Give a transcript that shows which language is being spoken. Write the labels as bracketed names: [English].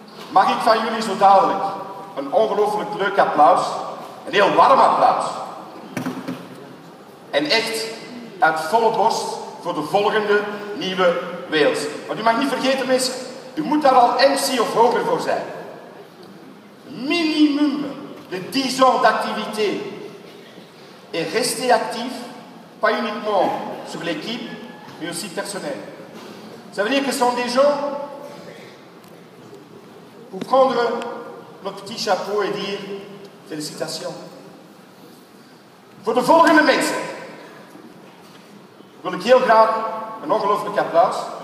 [Dutch] Mag ik van jullie zo dadelijk een ongelooflijk leuk applaus, een heel warm applaus. En echt uit volle borst voor de volgende nieuwe Wales. Want u mag niet vergeten mensen, u moet daar al MC of hoger voor zijn. [French] Minimum de 10 ans d'activité. Et rester actif, pas uniquement sur l'équipe, mais aussi personnel. Ça veut dire que ce sont des gens pour prendre notre petit chapeau et dire félicitations. [Dutch] Voor de volgende mensen wil ik heel graag een ongelooflijk applaus.